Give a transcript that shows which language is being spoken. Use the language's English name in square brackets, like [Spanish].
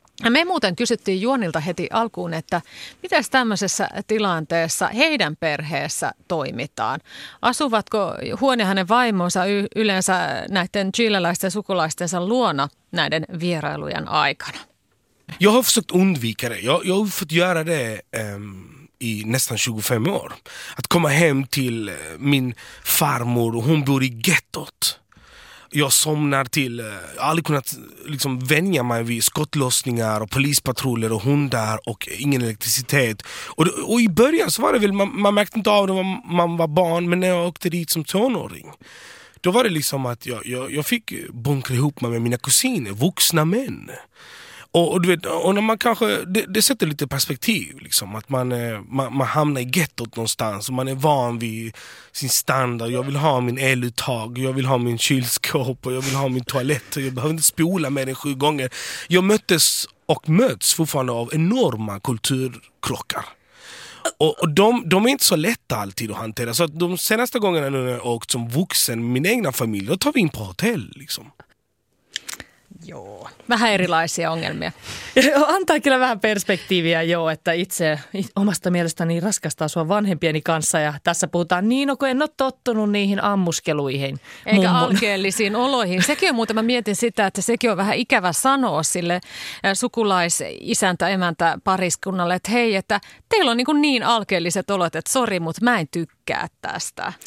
[Finnish] Me muuten kysyttiin Juanilta heti alkuun, että mitäs tämmöisessä tilanteessa heidän perheessä toimitaan? Asuvatko Juan ja hänen vaimonsa yleensä näiden chileläisten sukulaistensa luona näiden vierailujen aikana? [Swedish] Jag har försökt undvika det. Jag har fått göra det i nästan 25 år. Att komma hem till min farmor, hon bor i gettot. Jag somnar till, jag har aldrig kunnat liksom vänja mig vid skottlossningar och polispatruller och hundar och ingen elektricitet. Och i början så var det väl, man märkte inte av det när man var barn, men när jag åkte dit som tonåring, då var det liksom att jag fick bunkra ihop mig med mina kusiner, vuxna män. Och du vet, och när man kanske, det sätter lite perspektiv liksom, att man hamnar i gettot någonstans och man är van vid sin standard. Jag vill ha min eluttag, jag vill ha min kylskåp och jag vill ha min toalett och jag behöver inte spola mer än 7 gånger. Jag möttes och möts fortfarande av enorma kulturkrockar. Och de är inte så lätta alltid att hantera. Så att de senaste gångerna när jag har åkt som vuxen med min egna familj, då tar vi in på hotell liksom. [Finnish] joo, vähän erilaisia ongelmia. Antaa kyllä vähän perspektiiviä, joo, että itse omasta mielestäni raskasta asua vanhempieni kanssa. Ja tässä puhutaan niin, kun en ole tottunut niihin ammuskeluihin. Eikä alkeellisiin oloihin. Sekin on muuten, mä mietin sitä, että sekin on vähän ikävä sanoa sille sukulaisisäntä, emäntä, pariskunnalle, että hei, että teillä on niin alkeelliset olot, että sori, mutta mä en tykkää tästä.